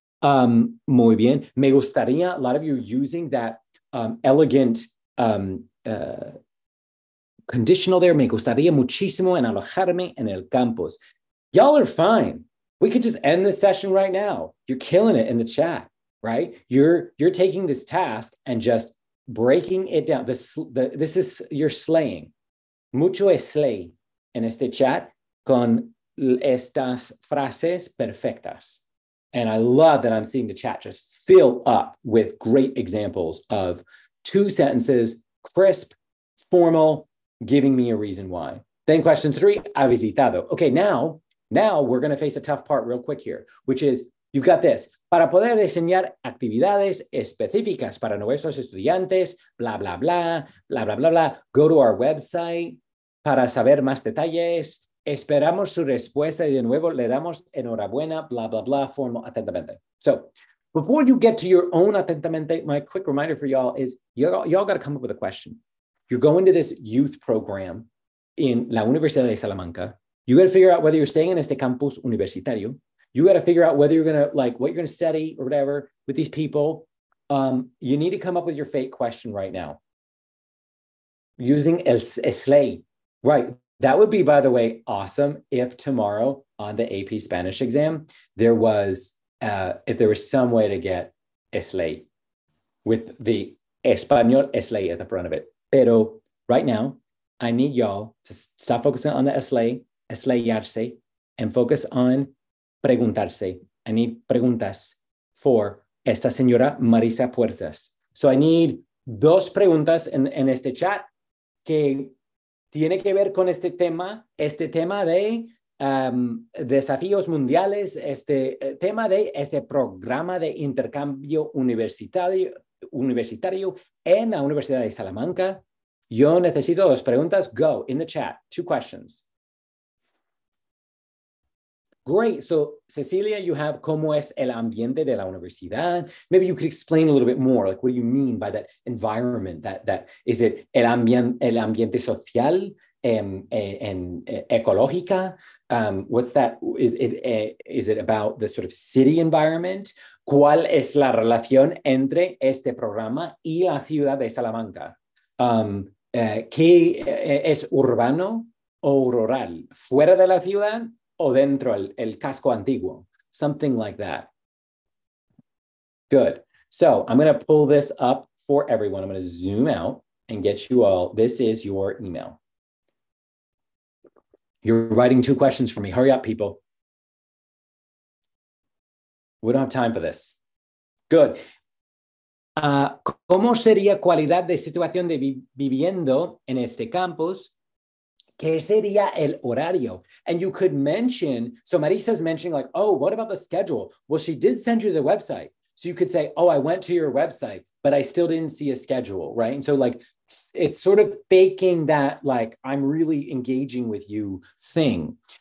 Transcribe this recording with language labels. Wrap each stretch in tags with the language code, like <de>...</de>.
<es>Muy bien. Me gustaría.</es> <en>A lot of you are using that conditional there.</en> <es>Me gustaría muchísimo en alojarme en el campus.</es> <en>Y'all are fine. We could just end this session right now. You're killing it in the chat, right? You're taking this task and just breaking it down. This is, you're slaying.</en> <es>Mucho es slay en este chat con estas frases perfectas.</es> <en>And I love that I'm seeing the chat just fill up with great examples of two sentences, crisp, formal, giving me a reason why. Then question three,</en> <es>ha visitado.</es> <en>Okay, now we're going to face a tough part real quick here, which is you've got this.</en> <es>Para poder diseñar actividades específicas para nuestros estudiantes, blah, blah, blah, blah, blah, blah, blah.</es> <en>Go to our website</en> <es>para saber más detalles. Esperamos su respuesta y de nuevo le damos enhorabuena, blah, blah, blah, formal, atentamente.</es> <en>So before you get to your own atentamente, my quick reminder for y'all is y'all got to come up with a question. You're going to this youth program in La Universidad de Salamanca. You got to figure out whether you're staying in</en> <es>este campus universitario.</es> <en>You got to figure out whether you're going to, like, what you're going to study or whatever with these people. You need to come up with your fake question right now. Using el slay. Right. That would be, by the way, awesome if tomorrow on the AP Spanish exam, there was some way to get slay with the español slay at the front of it. Pero right now, I need y'all to stop focusing on the eslayarse, and focus on preguntarse. I need preguntas for</en> <es>esta señora</es> <en>Marisa Puertas. So I need</en> <es>dos preguntas en este chat que tiene que ver con este tema de desafíos mundiales, este tema de este programa de intercambio universitario en la Universidad de Salamanca. Yo necesito dos preguntas.</es> <en>Go in the chat. Two questions. Great. So,</en> <es>Cecilia,</es> <en>you have</en> <es>cómo es el ambiente de la universidad.</es> <en>Maybe you could explain a little bit more. Like, what do you mean by that environment? That is it</en> <es>el ambiente social, ecológica?</es> <en>What's that? Is it about the sort of city environment?</en> <es>¿Cuál es la relación entre este programa y la ciudad de Salamanca? ¿Qué es urbano o rural? ¿Fuera de la ciudad o dentro el casco antiguo?</es> <en>Something like that. Good. So I'm going to pull this up for everyone. I'm going to zoom out and get you all. This is your email. You're writing two questions for me. Hurry up, people. We don't have time for this. Good.</en> <es>¿Cómo sería cualidad de situación de viviendo en este campus? ¿Qué sería el horario?</es> <en>And you could mention, so Marisa's mentioning like, oh, what about the schedule? Well, she did send you the website. So you could say, oh, I went to your website, but I still didn't see a schedule, right? And so like, it's sort of faking that, like, I'm really engaging with you thing.</en>